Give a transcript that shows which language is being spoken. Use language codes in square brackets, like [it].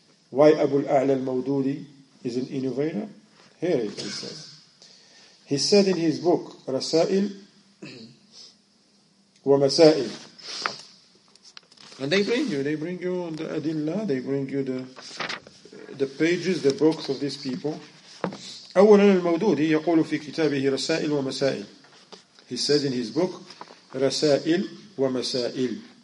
[en] Why Abu al-A'la Al-Mawdudi is an innovator? Here it is, he says. He said in his book, Rasail, ومسائل. And they bring you the Adilla, they bring you the pages, the books of these people. [ar] أولا المودودي يقول في كتابه رسائل ومسائل. [en] He said in his book رسائل ومسائل.